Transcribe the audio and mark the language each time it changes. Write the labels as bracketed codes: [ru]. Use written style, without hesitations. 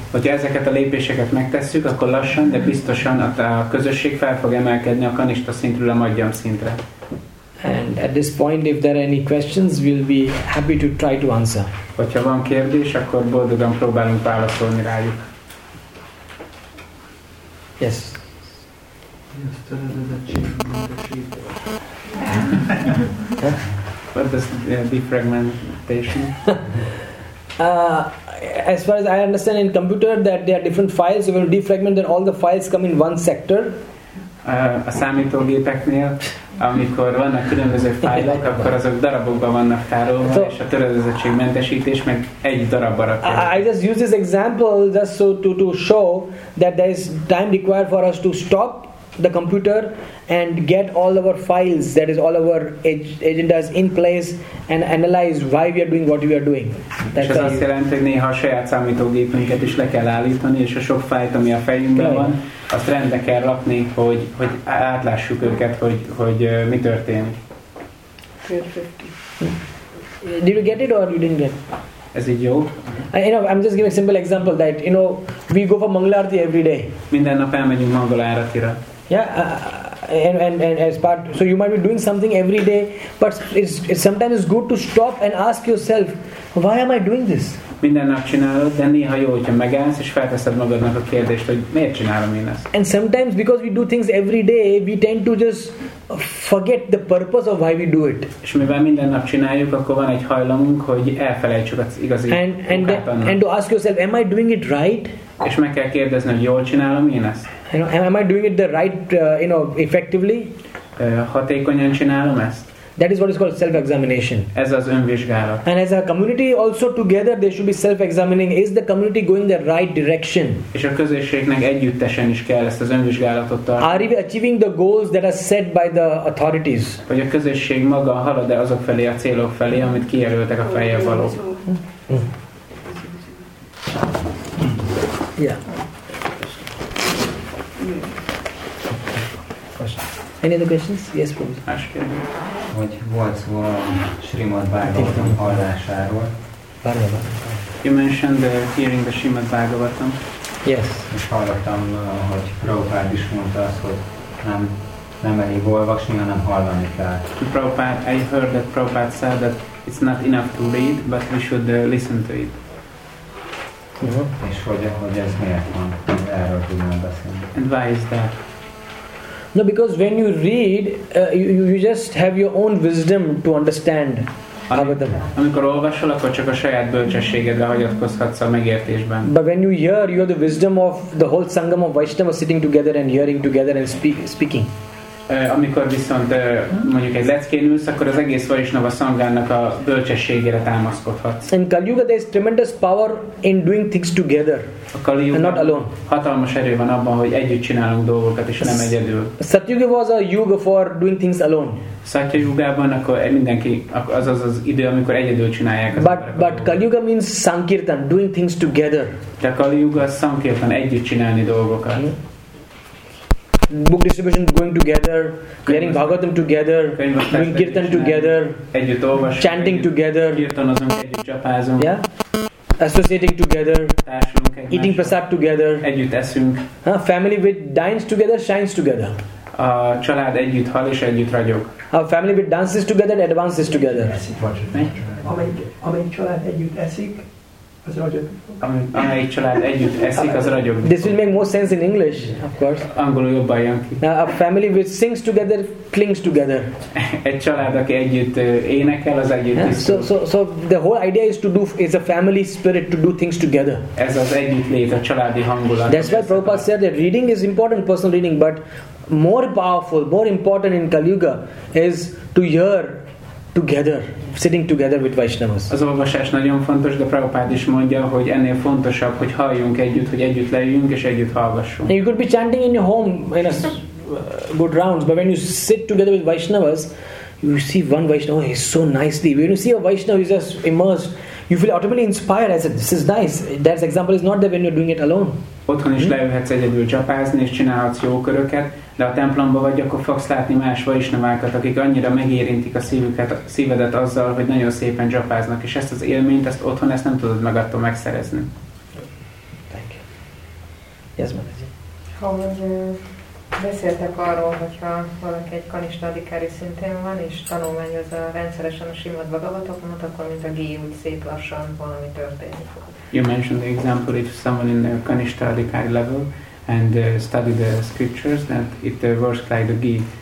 [hu] Hogyha ezeket a lépéseket megtesszük, akkor lassan, de biztosan a közösség fel fog emelkedni a Kanishta szintről a Madhyam szintre. [en] And at this point, if there are any questions, we'll be happy to try to answer. [hu] Hogyha van kérdés, akkor boldogan próbálunk válaszolni rájuk. [en] Yes. What does defragmentation? As far as I understand in computer, that there are different files. If you defragment, then all the files come in one sector. [hu] A számítógépeknél, amikor vannak különböző fájlok, akkor azok darabokban vannak tárolva, so, és a töredezettségmentesítés meg egy darabba rakja. [en] I just use this example just so to show that there is time required for us to stop the computer and get all our files, that is all our agendas in place, and analyze why we are doing what we are doing. That's [hu] és ez azt jelenti, hogy néha a saját számítógépünket is le kell állítani, és a sok fájlt, ami a fejünkben okay. van, azt rendbe kell rakni, hogy, hogy átlássuk őket, hogy, hogy mi történik. [en] Did you get it or you didn't get it? [hu] Ez így jó. [en] You know, I'm just giving a simple example that, you know, we go for Mangala Arati every day. [hu] Minden nap elmegyünk Mangala Aratira. [en] Yeah, and as part, so you might be doing something every day, but it's sometimes it's good to stop and ask yourself, why am I doing this? [hu] Minden nap csinálod, de néha jó, hogyha megállsz, és felteszed magadnak a kérdést, hogy miért csinálom én ezt. [en] And sometimes, because we do things every day, we tend to just forget the purpose of why we do it. [hu] És mivel minden nap csináljuk, akkor van egy hajlamunk, hogy elfelejtsük az igazi [en] and to ask yourself, am I doing it right? [hu] És meg kell kérdezni, hogy jól csinálom én ezt. [en] You know, am I doing it the right, you know, effectively? [hu] Hatékonyan csinálom ezt. [en] That is what is called self-examination. [hu] Ez az önvizsgálat. [en] And as a community also together they should be self-examining. Is the community going the right direction? [hu] És a közösségnek együttesen is kell ezt az önvizsgálatot tartani. [en] Are we achieving the goals that are set by the authorities? [hu] Vagy a közösség maga halad-e azok felé, a célok felé, amit kijelöltek a fejjel való? [en] Yeah. Any other questions? Yes, please. Ask him. [hu] Hogy volt szó a Srimad Bhagavatam hallásáról. [en] You mentioned the hearing the Srimad Bhagavatam. Yes. [hu] És hallottam, hogy Prabhupád is mondta azt, hogy nem elég olvasni, hanem hallani kell. [en] Prabhupád, I heard that Prabhupád said that it's not enough to read, but we should listen to it. Uh-huh. [hu] És hogy ez miért van, erről tudnám beszélni. [en] And why is that? No, because when you read, you just have your own wisdom to understand. [hu] Amikor olvasol, akkor csak a saját bölcsességedre hagyatkozhatsz a megértésben. [en] But when you hear, you are the wisdom of the whole sangam of Vaishnava sitting together and hearing together and speaking. [hu] Amikor viszont mondjuk egy leckén ülsz, akkor az egész Vaishnava szangának a bölcsességére támaszkodhatsz. [en] In Kali Yuga there is tremendous power in doing things together. A Kali Yuga not alone. [hu] Hatalmas erő van abban, hogy együtt csinálunk dolgokat, és nem egyedül. [en] Satyuga was a yuga for doing things alone. [hu] Satya Yugában akkor mindenki, az az idő, amikor egyedül csinálják az [en] But Kali Yuga means Sankirtan, doing things together. [hu] De Kali Yuga az Sankirtan, együtt csinálni dolgokat. Mm-hmm. [en] Book distribution going together, hearing Bhagavatam together, doing kirtan together, chanting together, yeah, associating together, eating prasad together, family with dines together, shines together. [hu] A család együtt hal és együtt ragyog. [en] A family with dances together, advances together. [hu] Amelyik család együtt eszik, amelyik család együtt eszik, az ragyog. [en] This will make more sense in English, of course. [hu] Angolul jobban jön ki. [en] Now, a family which sings together clings together. [hu] Egy család, aki együtt énekel, az együtt [en] is. So the whole idea is a family spirit to do things together. [hu] Ez az együtt lét, a családi hangulat. [en] That's why Prabhupada said that reading is important, personal reading, but more powerful, more important in Kali Yuga is to hear together, sitting together with Vaishnavas. [hu] Az olvasás nagyon fontos, de Prabhupád is mondja, hogy ennél fontosabb, hogy halljunk együtt, hogy együtt leüljünk és együtt hallgassunk. [en] You could be chanting in your home in a good rounds, but when you sit together with Vaishnavas, you see one Vaishnava, he's so nicely. When you see a Vaishnava, he's just immersed, you feel automatically inspired. I said, this is nice. That example is not there when you're doing it alone. [hu] Otthon is leülhetsz egyedül csapázni, és csinálhatsz jó köröket, de a templomba vagy, akkor fogsz látni más vaisnavákat, akik annyira megérintik a szívüket, a szívedet azzal, hogy nagyon szépen csapáznak, és ezt az élményt, ezt otthon, ezt nem tudod meg attól megszerezni. [en] Thank you. Yes, Madhuri. [hu] Hogy beszéltek arról, hogyha valaki egy kanista adikári szintén van, és tanulmányoz a rendszeresen a Srimad Bhagavatamot, akkor mint a ghee, úgy szép lassan valami történik. [en] You mentioned the example if someone in the Kanishtha Adhikari level and study the scriptures that it works like the ghee.